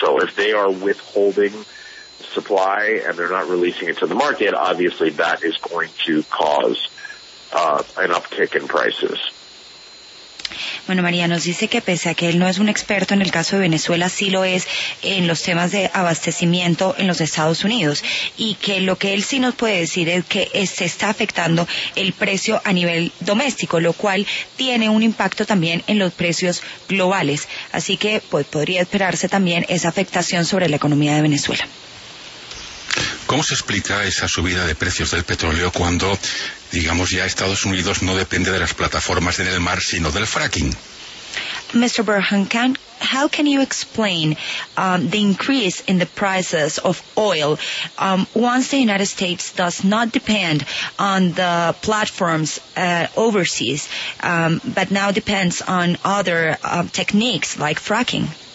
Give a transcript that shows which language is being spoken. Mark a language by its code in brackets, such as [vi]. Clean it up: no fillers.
[en] So if they are withholding supply and they're not releasing it to the market, obviously that is going to cause an uptick in prices. [es] Bueno, María nos dice que pese a que él no es un experto en el caso de Venezuela, sí lo es en los temas de abastecimiento en los Estados Unidos y que lo que él sí nos puede decir es que se está afectando el precio a nivel doméstico, lo cual tiene un impacto también en los precios globales. Así que pues podría esperarse también esa afectación sobre la economía de Venezuela. ¿Cómo se explica esa subida de precios del petróleo cuando, digamos, ya Estados Unidos no depende de las plataformas en el mar, sino del fracking? [en] Mr. Berhankan, how can you explain the increase in the prices of oil once the United States does not depend on the platforms overseas, but now depends on other techniques like fracking?